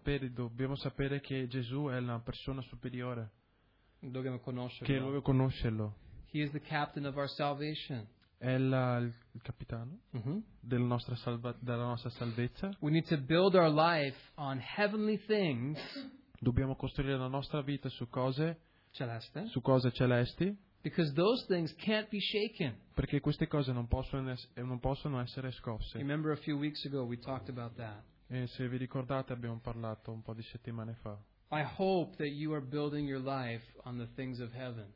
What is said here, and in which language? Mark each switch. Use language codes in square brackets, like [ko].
[it] Dobbiamo sapere che Gesù è una persona superiore. Dobbiamo conoscerlo. Che dobbiamo conoscerlo. [en] He is the captain of our salvation. [it] È il capitano della nostra salvezza. [en] We need to build our life on heavenly things. [it] Dobbiamo costruire la nostra vita su cose celeste. Su cose celesti. [en] Because those things can't be shaken. [it] Perché queste cose non possono essere scosse. [en] Remember a few weeks ago we talked about that. [it] E se vi ricordate abbiamo parlato un po' di settimane fa. [en] I hope that you are building your life on the things of heaven.